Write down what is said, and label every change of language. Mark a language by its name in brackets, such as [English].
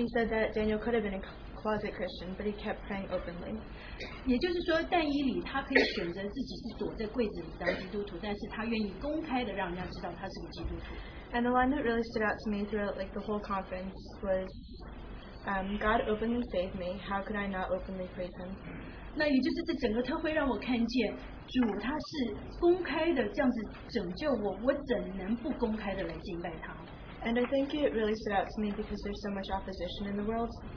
[English] he said that Daniel could have been a closet Christian, but he kept praying openly. [Chinese] 也就是说，但以理他可以选择自己是躲在柜子里当基督徒，但是他愿意公开的让人家知道他是个基督徒。 [English] And the line that really stood out to me throughout like the whole conference was, God openly saved me. How could I not openly praise Him? [Chinese] 那也就是这整个特会让我看见主他是公开的这样子拯救我，我怎能不公开的来敬拜他？ [English] And I think it really stood out to me because there's so much opposition in the world.